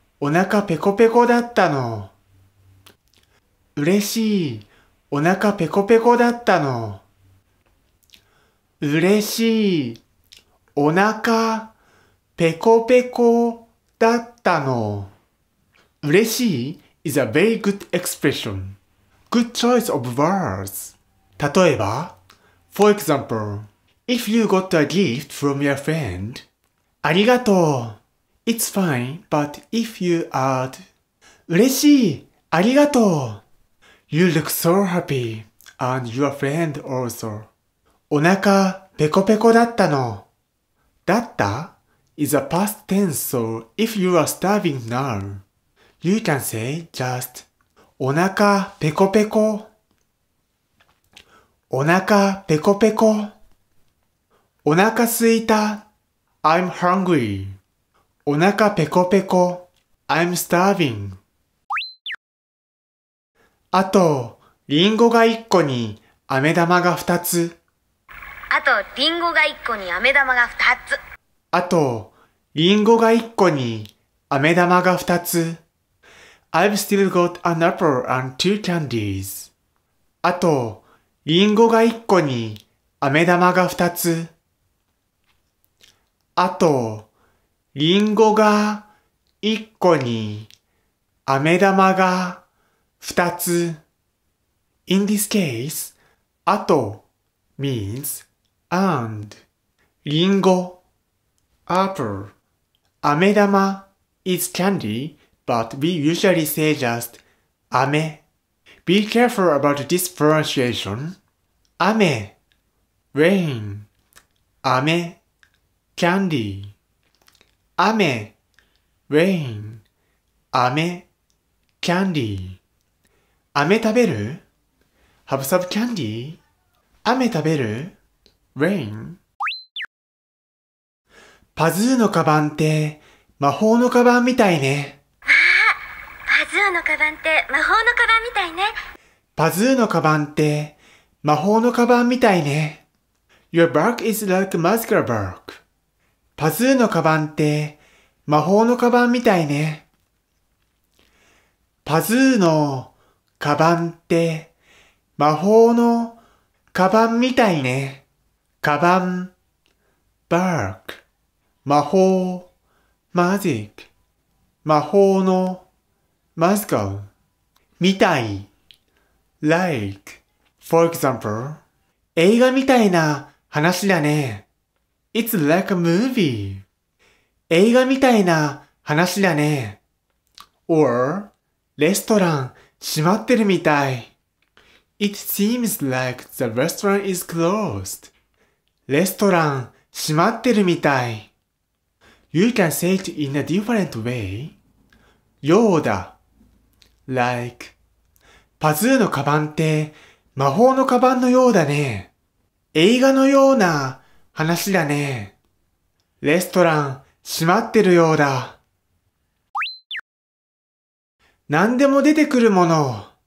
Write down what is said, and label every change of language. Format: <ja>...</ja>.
<ja>お腹ペコペコだったの。嬉しい。お腹ペコペコだったの。嬉しい。お腹ペコペコだったの。</ja> <en>嬉しい is a very good expression. Good choice of words.</en> <ja>例えば、</ja> <en>For example, if you got a gift from your friend,</en> <ja>ありがとう。</ja> <en>It's fine, but if you add,</en> <ja>嬉しい、ありがとう。</ja> <en>You look so happy, and your friend also.</en> <ja>お腹、ペコペコだったの。</ja> <en>だった is a past tense, so if you are starving now, you can say just,</en> <ja>お腹、ペコペコ。お腹ペコペコ。お腹すいた。</ja> <en>I'm hungry.</en> <ja>お腹ペコペコ。</ja> <en>I'm starving.</en> <ja>あと、リンゴが一個に飴玉が二つ。あと、リンゴが一個に飴玉が二つ。あと、リンゴが一個に飴玉が二つ。</ja> <en>I've still got an apple and two candies.</en> <ja>あと、リンゴが一個に飴玉が二つ。あと、リンゴが一個に飴玉が二つ。</ja> <en>In this case, あと means and</en> <ja>リンゴ</ja> <en>apple 飴玉 is candy, but we usually say just</en> <ja>飴。</ja> <en>Be careful about this pronunciation.</en> <ja>雨</ja> <en>rain</en> <ja>雨</ja> <en>candy</en> <ja>雨</ja> <en>rain</en> <ja>雨 candy 雨食べる</ja> <en>Have some candy</en> <ja>雨食べる</ja> <en>rain</en> <ja>パズーのカバンって魔法のカバンみたいねわあパズーのカバンって魔法のカバンみたいねパズーのカバンって魔法のカバンみたいね。</ja> <en>Your bag is like a magical bag.</en> <ja>パズーのカバンって魔法のカバンみたいね。パズーのカバンって魔法のカバンみたいね。カバン、バーク、魔法、マジック、魔法のマジカルみたい。</ja> <en>Like, for example,</en> <ja>映画みたいな話だね。</ja> <en>It's like a movie.</en> <ja>映画みたいな話だね。</ja> <en>Or,</en> <ja>レストラン閉まってるみたい。</ja> <en>It seems like the restaurant is closed.</en> <ja>レストラン閉まってるみたい。</ja> <en>You can say it in a different way.</en> <ja>ようだ。</ja> <en>Like,</en> <ja>パズーのカバンって魔法のカバンのようだね。映画のような話だね。レストラン閉まってるようだ。何でも出てくるもの。</ja>